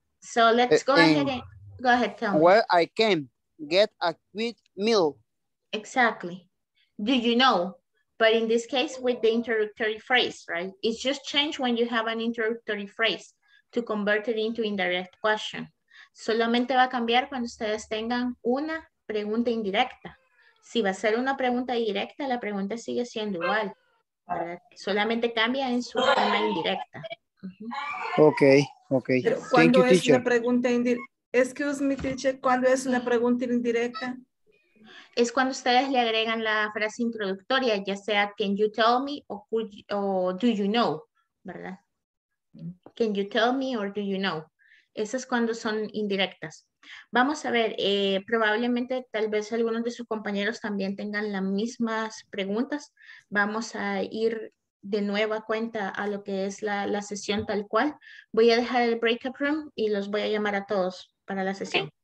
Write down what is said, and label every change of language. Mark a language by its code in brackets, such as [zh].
[en] So let's go ahead and go ahead, tell me. Where I can get a quick meal. Exactly. Do you know? But in this case, with the introductory phrase, right? It's just changed when you have an introductory phrase to convert it into indirect question. [es] Solamente va a cambiar cuando ustedes tengan una pregunta indirecta. Si va a ser una pregunta directa, la pregunta sigue siendo igual, ¿verdad? Solamente cambia en su forma indirecta. Uh-huh. Ok, ok. Cuando es una pregunta indirecta, [en] excuse me, teacher, [es] ¿cuándo es una pregunta indirecta? Es cuando ustedes le agregan la frase introductoria, ya sea [en] can you tell me [es] o [en] do you know, [es] ¿verdad? [en] Can you tell me or do you know? [es] Esas es cuando son indirectas. Vamos a ver, probablemente tal vez algunos de sus compañeros también tengan las mismas preguntas. Vamos a ir de nueva cuenta a lo que es la sesión tal cual. Voy a dejar el breakout room y los voy a llamar a todos para la sesión.